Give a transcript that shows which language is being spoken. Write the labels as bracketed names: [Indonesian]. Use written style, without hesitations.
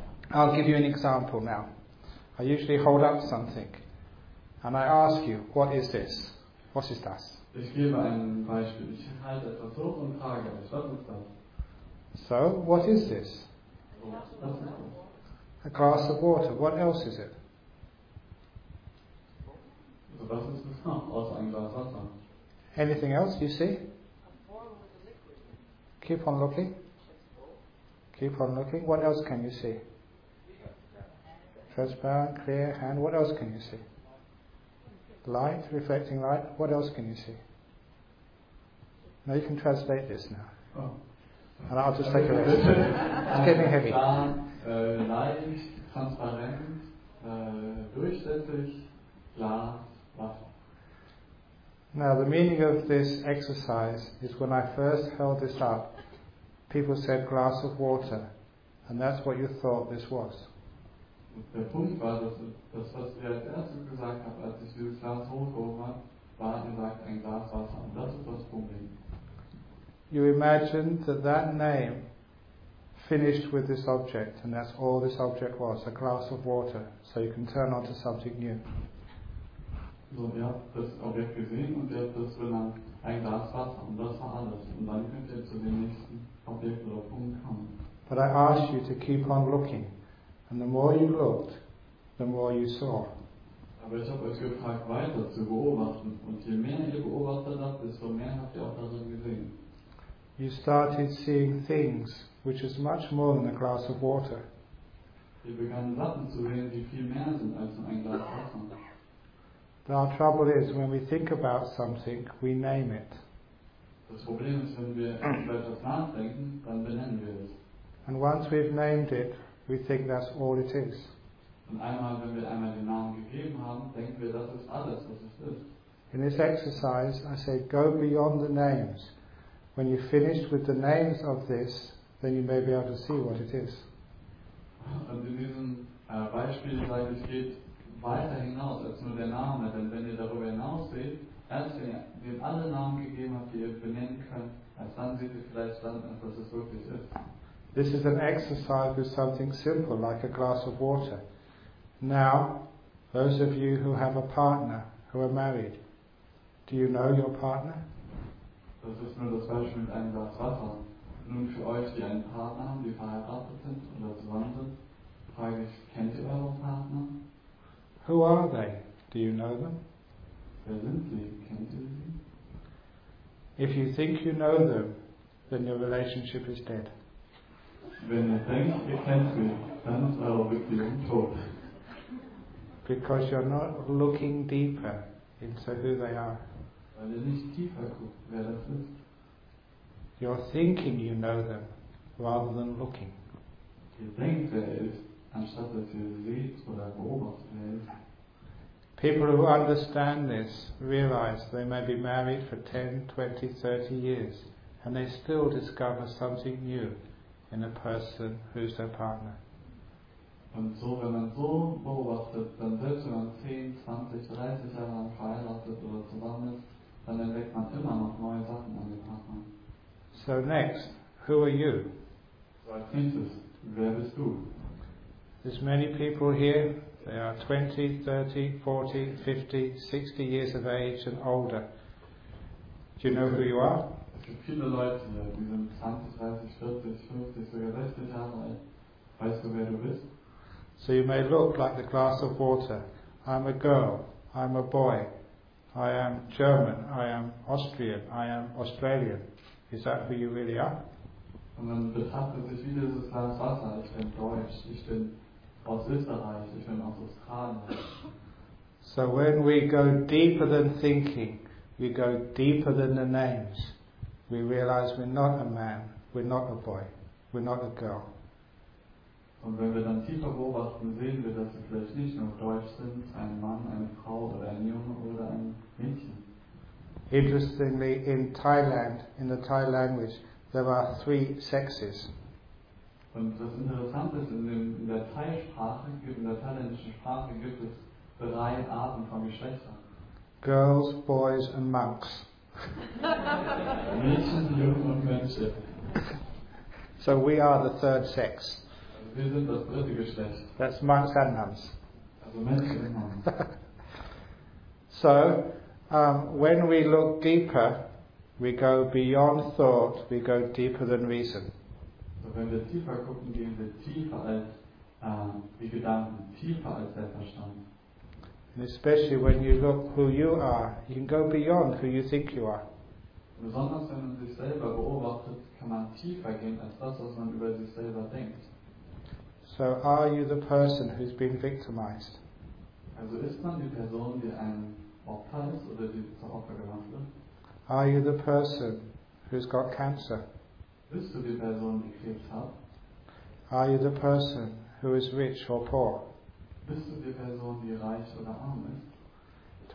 [English] I'll give you an example now. I usually hold up something. And I ask you, what is this? What is [German] das? Ich gebe ein Beispiel. Ich halte etwas hoch und frage, was ist das? [English] So, what is this? [German] Was ist das? [English] A glass of water. What else is it? [German] Was ist das noch? Außer ein Glas Wasser. [English] Anything else you see? Keep on looking. Keep on looking. What else can you see? Transparent, clear hand. What else can you see? Light, reflecting light. What else can you see? Now you can translate this now. Oh. And I'll just take a rest. It's getting heavy. Light, [German] transparent, durchsichtig, glas, Wasser. [English] Now the meaning of this exercise is when I first held this up, people said glass of water, and that's what you thought this was. [German] Der Punkt war, dass was ich als erstes gesagt habe, als ich dieses Glas hochgehoben habe, war gesagt ein Glas Wasser, und das ist das Problem. [English] You imagine that that name finished with this object, and that's all this object was, a glass of water, so you can turn on to something new. [German] So, ihr habt das Objekt gesehen und ihr habt das benannt, ein Glas Wasser, und das war alles. Und dann könnt ihr zu dem nächsten Objekt oder Punkt kommen. [English] But I ask you to keep on looking. And the more you looked, the more you saw. [German] Aber ich habe euch gefragt, weiter zu beobachten. Und je mehr ihr beobachtet habt, desto mehr habt ihr auch darin gesehen. [English] You started seeing things, which is much more than a glass of water. [German] Ihr begann Sachen zu sehen, die viel mehr sind als ein Glas Wasser. [English] But our trouble is, when we think about something, we name it. [German] Das Problem ist, wenn wir über etwas nachdenken, dann benennen wir es. [English] And once we've named it, we think that's all it is. [German] Und einmal, wenn wir einmal den Namen gegeben haben, denken wir, das ist alles, was es ist. [English] In this exercise, I say, go beyond the names. When you finish with the names of this, then you may be able to see what it is. [German] Und in diesem Beispiel, weil es geht, weiter hinaus als nur der Name, denn wenn ihr darüber hinaus seht, erst wenn ihr alle Namen gegeben habt, die ihr benennen könnt, erst dann seht ihr vielleicht dann, was es wirklich ist. [English] This is an exercise with something simple, like a glass of water. Now, those of you who have a partner, who are married, do you know your partner? [German] Das ist nur das Beispiel mit einem Glas Wasser. Nun für euch, die einen Partner haben, die verheiratet sind oder zusammen sind, frage ich, kennt ihr euren Partner? [English] Who are they? Do you know them? [German] Wer sind sie? Kennt ihr sie? [English] If you think you know them, then your relationship is dead. [German] Wenn ihr denkt, ihr kennt sie, dann ist eure Beziehung tot. [English] Because you're not looking deeper into who they are. [German] Weil ihr nicht tiefer guckt, wer das ist. [English] You're thinking you know them, rather than looking. [German] Ihr denkt, wer ist. Anstatt dass ihr seht oder beobachtet. [English] People who understand this realize they may be married for 10, 20, 30 years and they still discover something new in a person who's their partner. [German] Und so, wenn man so beobachtet, dann wird man 10, 20, 30 Jahre lang verheiratet oder zusammen ist, dann entdeckt man immer noch neue Sachen an dem Partner. [English] So next, who are you? [German] Als nächstes, wer bist du? [English] There's many people here, they are 20, 30, 40, 50, 60 years of age and older. Do you know who you are? [German] Es gibt viele Leute hier, die sind 20, 30, 40, 50, sogar 60 Jahre alt. Weißt du, wer du bist? [English] So you may look like the glass of water. I'm a girl, I'm a boy, I am German, I am Austrian, I am Australian. Is that who you really are? [German] Und dann betrachten sich viele dieses Glas Wasser. Ich bin Deutsch, ich bin aus Österreich, ich bin aus Australien. [English] So when we go deeper than thinking, we go deeper than the names, we realize we're not a man, we're not a boy, we're not a girl. [German] Und wenn wir dann tiefer beobachten, sehen wir, dass wir vielleicht nicht nur Deutsch sind, ein Mann, eine Frau oder ein Junge oder ein Mädchen. [English] Interestingly, in Thailand, in the Thai language, there are three sexes. [German] Und das Interessante ist, in der Thai-Sprache, in der thailändischen Sprache, gibt es drei Arten von Geschlechtern. [English] Girls, boys and monks. [German] Mädchen, Jungen und Mönche. [English] So we are the third sex. [German] Wir sind das dritte Geschlecht. [English] That's monks and nuns. [German] Also Mönche und [English] Nuns. So, when we look deeper, we go beyond thought, we go deeper than reason. [German] So wenn wir tiefer gucken, gehen wir tiefer als die Gedanken tiefer als der Verstand. [English] And especially when you look who you are, you can go beyond who you think you are. [German] Besonders wenn man sich selber beobachtet, kann man tiefer gehen als das, was man über sich selber denkt. [English] So are you the person who's been victimized? [German] Also ist man die Person, die ein Opfer ist oder die zum Opfer gemacht wird? [English] Are you the person who's got cancer? [German] Bist du die Person, die Krebs hat? [English] Are you the person who is rich or poor? [German] Bist du die Person, die reich oder arm ist?